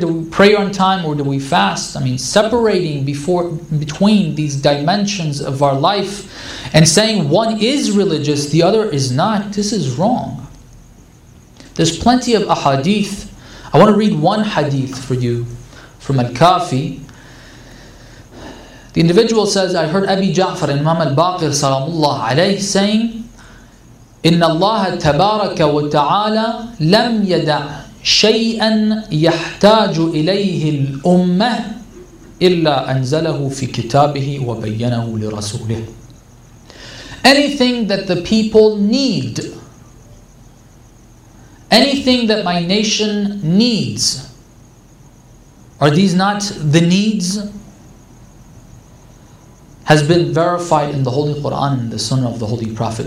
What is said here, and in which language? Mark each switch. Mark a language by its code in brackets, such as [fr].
[en] Do we pray on time or do we fast? I mean, separating between these dimensions of our life and saying one is religious, the other is not, this is wrong. There's plenty of ahadith. I want to read one hadith for you from Al-Kafi. The individual says, I heard Abi Ja'far and Imam Al-Baqir salamullah alayhi saying, [ar] إِنَّ اللَّهَ تَبَارَكَ وَتَعَالَى لَمْ يَدَعْ شَيْئًا يَحْتَاجُ إِلَيْهِ الْأُمَّةِ إِلَّا أَنْزَلَهُ فِي كِتَابِهِ وَبَيَّنَهُ لِرَسُولِهِ. [en] Anything that the people need, anything that my nation needs, are these not the needs, has been verified in the Holy Quran, in the Sunnah of the Holy Prophet.